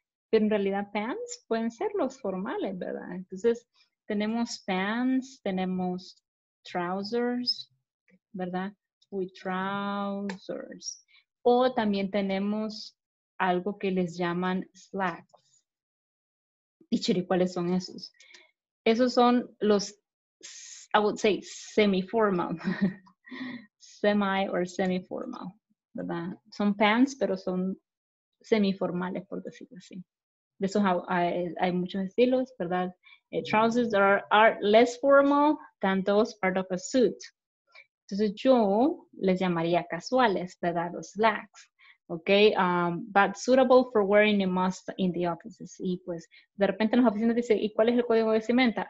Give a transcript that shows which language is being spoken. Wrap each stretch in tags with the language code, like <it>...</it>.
<es>Pero en realidad, pants pueden ser los formales, ¿verdad? Entonces, tenemos pants, tenemos trousers, ¿verdad? Uy, trousers. O también tenemos algo que les llaman slacks. Teacher, ¿y cuáles son esos? Esos son los,</es> <en>I would say,</en> <es>semi-formal.</es> <en>Semi or semi-formal, ¿verdad?</en> <es>Son pants, pero son semi-formales, por decirlo así. De esos hay muchos estilos, ¿verdad?</es> <en>Trousers are less formal than those part of a suit.</en> <es>Entonces yo les llamaría casuales, ¿verdad? Los slacks.</es> <en>Ok, but suitable for wearing a must in the offices.</en> <es>Y pues, de repente en las oficinas dice, ¿y cuál es el código de vestimenta?</es>